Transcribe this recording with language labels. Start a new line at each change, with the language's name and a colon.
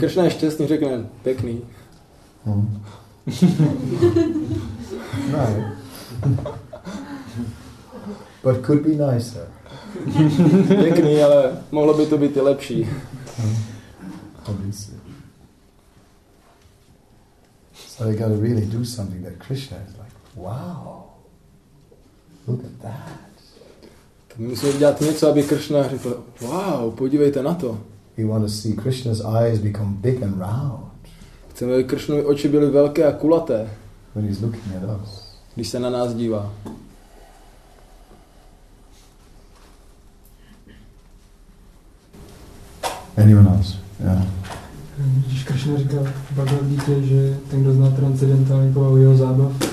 Czech: Krishna je šťastný, řekne, pěkný.
English: Nice. But could be nicer.
Czech: Pěkný, ale mohlo by to být i lepší.
English: Obviously. So you got to really do something that Krishna is like, wow. Look at that.
Czech: Musíme dělat něco, aby Krishna řekl, wow, podívejte na to.
English: We want to see Krishna's eyes become big and round.
Czech: Chceme, aby Krishnovy oči byly velké a kulaté.
English: When he's looking at us.
Czech: Když se na nás dívá.
English: Anyone else? Yeah.
Czech: Když Krishna říká, Bhagavad Gita, že ten, kdo zná transcendentální povahu jeho zábav,